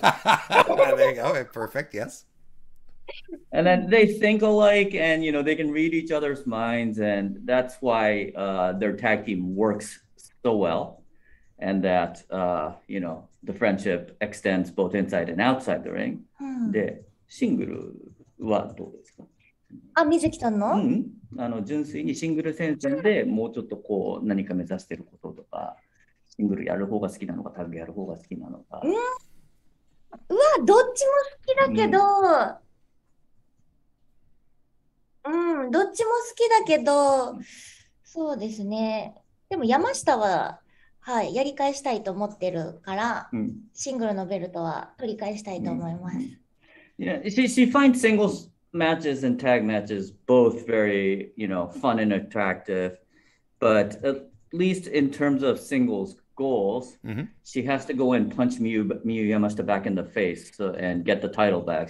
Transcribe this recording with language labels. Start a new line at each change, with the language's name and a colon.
English: There you go. Okay, perfect. Yes. And then they think alike, and you know they can read each other's minds, and that's why their tag team works so well, and that you know. The friendship extends both inside and outside the ring.
Japanese: で、シングルはどうですか？あ、みずきさんの？うん。あの、純粋にシングル戦線でもうちょっとこう何か目指してることとか、シングルやる方が好きなのか、タッグやる方が好きなのか。うん。うわ、どっちも好きだけど、うん、どっちも好きだけど、そうですね。でも山下は、はい、やり返したいと思ってるから、シングルのベルトは取り返したいと思います。
English: Yeah, she finds singles matches and tag matches both very, you know, fun and attractive. But at least in terms of singles goals, she has to go and punch Miyu Yamashita back in the face and get the title back.